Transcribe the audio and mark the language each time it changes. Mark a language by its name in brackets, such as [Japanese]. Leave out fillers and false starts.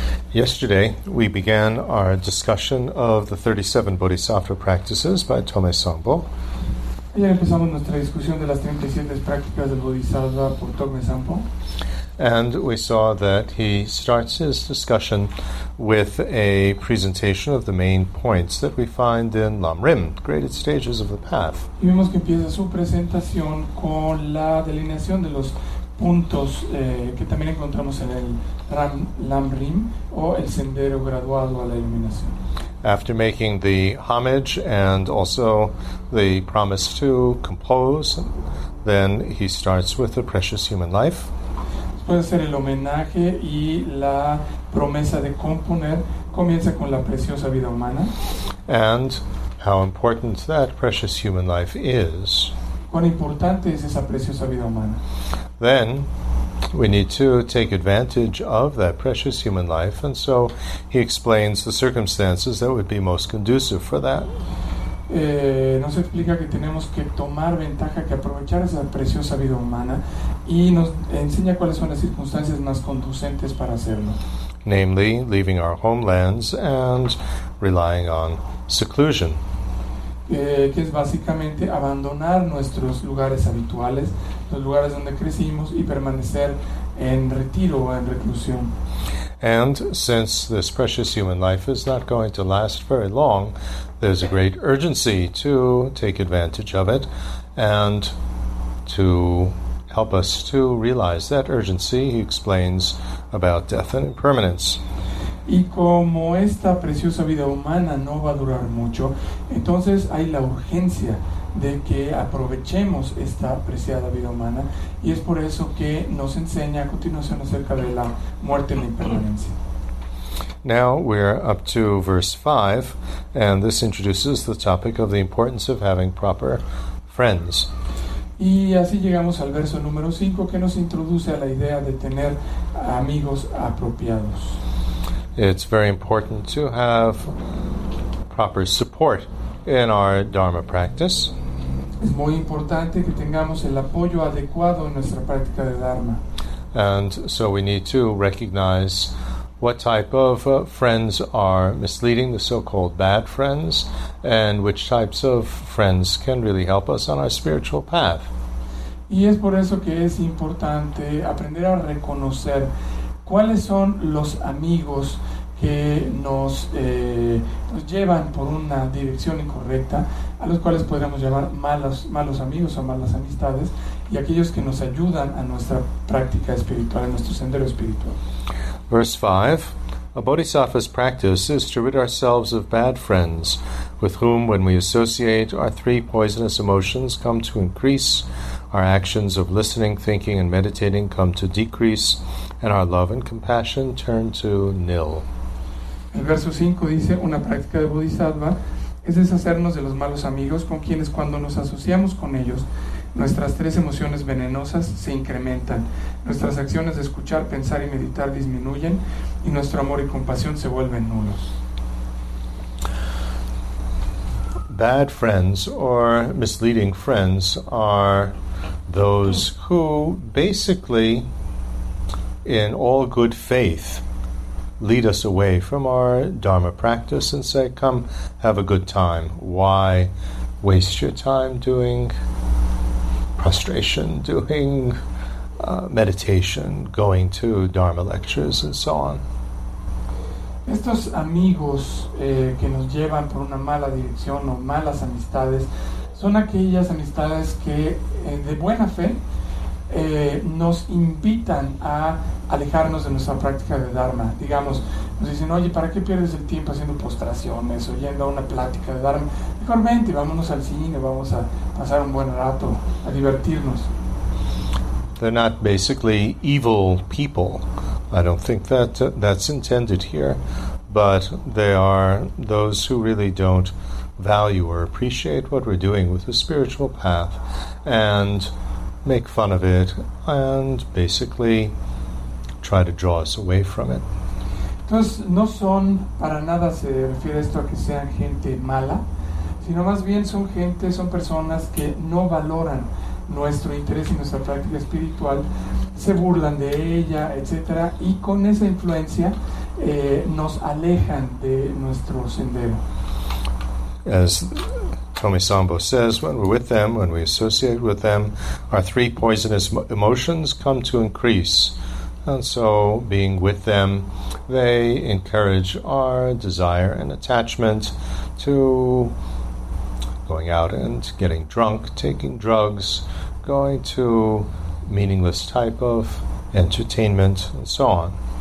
[English] Yesterday, we began our discussion of the 37 bodhisattva practices by Tome Sambo. [Spanish] Ayer empezamos nuestra discusión de las 37 prácticas del bodhisattva por Tome Sambo. [English] And we saw that he starts his discussion with a presentation of the main points that we find in Lamrim, graded stages of the path. [Spanish] Y vemos que empieza su presentación con la delineación de los puntos que también encontramos en el Lamrim, o el sendero graduado a la iluminación. [English] After making the homage and also the promise to compose, then he starts with the precious human life. [Spanish] Puede ser el homenaje y la promesa de componer, comienza con la preciosa vida humana. [English] And how important that precious human life is. [Spanish] ¿Cuán importante es esa preciosa vida humana? [English] Then we need to take advantage of that precious human life, and so he explains the circumstances that would be most conducive for that. [Spanish] Nos explica que tenemos que tomar ventaja, que aprovechar esa preciosa vida humana, y nos enseña cuáles son las circunstancias más conducentes para hacerlo. [English] Namely, leaving our homelands and relying on seclusion. [Spanish] Que es básicamente abandonar nuestros lugares habituales, los lugares donde crecimos, y permanecer en retiro o en reclusión. [English] And since this precious human life is not going to last very long, there's a great urgency to take advantage of it, and to help us to realize that urgency, he explains about death and impermanence. [Spanish] Y como esta preciosa vida humana no va a durar mucho, entonces hay la urgencia de que aprovechemos esta preciada vida humana, y es por eso que nos enseña a continuación acerca de la muerte y la impermanencia. [English] Now we're up to verse 5, and this introduces the topic of the importance of having proper friends. [Spanish] Y así llegamos al verso número 5, que nos introduce a la idea de tener amigos apropiados. [English] It's very important to have proper support in our dharma practice. [Spanish] Es muy importante que tengamos el apoyo adecuado en nuestra práctica de dharma. [English] And so we need to recognize what type of friends are misleading, the so-called bad friends, and which types of friends can really help us on our spiritual path. [Spanish] Y es por eso que es importante aprender a reconocer cuáles son los amigos que nos llevan por una dirección incorrecta, a los cuales podríamos llamar malos amigos o malas amistades, y aquellos que nos ayudan a nuestra práctica espiritual, a nuestro sendero espiritual. [English] Verse 5, a bodhisattva's practice is to rid ourselves of bad friends, with whom, when we associate, our three poisonous emotions come to increase, our actions of listening, thinking, and meditating come to decrease, and our love and compassion turn to nil. [Spanish] El verso 5 dice, una práctica de bodhisattva es deshacernos de los malos amigos con quienes, cuando nos asociamos con ellos, nuestras tres emociones venenosas se incrementan, nuestras acciones de escuchar, pensar y meditar disminuyen, y nuestro amor y compasión se vuelven nulos. [English] Bad friends or misleading friends are those who basically, in all good faith, lead us away from our dharma practice and say, come, have a good time. Why waste your time doing prostration, doing meditation, going to dharma lectures, and so on? [Spanish] Estos amigos que nos llevan por una mala dirección o malas amistades son aquellas amistades que de buena fe nos invitan a alejarnos de nuestra práctica de dharma. Digamos, nos dicen, oye, ¿para qué pierdes el tiempo haciendo postraciones o yendo a una plática de dharma? Mejor vente, vámonos al cine, vamos a pasar un buen rato, a divertirnos. [English] They're not basically evil people. I don't think that that's intended here, but they are those who really don't value or appreciate what we're doing with the spiritual path and make fun of it and basically try to draw us away from it. [Spanish] Entonces, no son para nada, se refiere esto a que sean gente mala, sino más bien son gente, son personas que no valoran nuestro interés y nuestra práctica espiritual, se burlan de ella, etcétera, y con esa influencia nos alejan de nuestro sendero. [English] As Tomi Sambo says, when we're with them, when we associate with them, our three poisonous emotions come to increase. And so, being with them, they encourage our desire and attachment to going out and getting drunk, taking drugs, going to meaningless type of entertainment, and so on.